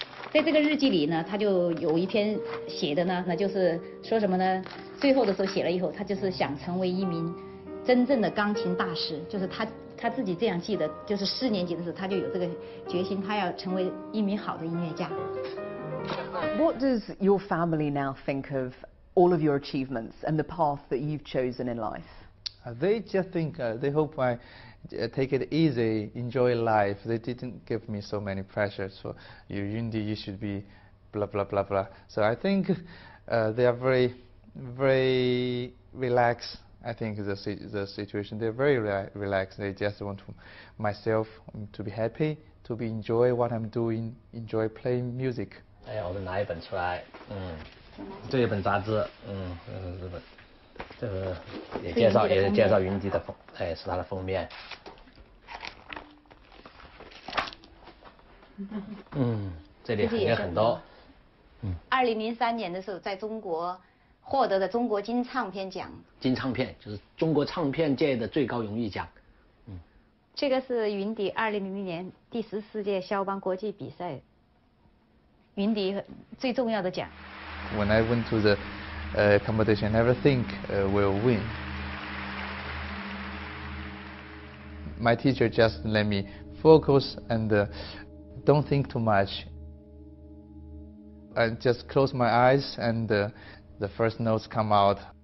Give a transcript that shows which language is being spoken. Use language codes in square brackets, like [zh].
[zh] 在这个日记里呢，他就有一篇写的呢，那就是说什么呢，最后的时候写了以后他就是想成为一名真正的钢琴大师，就是他他自己这样记得，就是四年级的时候他就有这个决心，他要成为一名好的音乐家。 [en] What does your family now think of all of your achievements and the path that you've chosen in life? They just think, they hope I take it easy, enjoy life. They didn't give me so many pressures for you, Yundi, you should be blah blah blah blah. So I think they are very, very relaxed. I think the situation, they're very relaxed. They just want to myself to be happy, to be enjoy what I'm doing, enjoy playing music. [zh] 哎呀，我都拿一本出来，嗯，这一本杂志，嗯，这本，这个也介绍，也是介绍云迪的封，哎，是他的封面。嗯，这里还有很多。 2003年的时候，在中国获得的中国金唱片奖。金唱片就是中国唱片界的最高荣誉奖。嗯，这个是云迪2001年第14届肖邦国际比赛云迪最重要的奖。 [en] When I went to the competition, I never think will win. My teacher just let me focus and don't think too much. I just close my eyes and the first notes come out.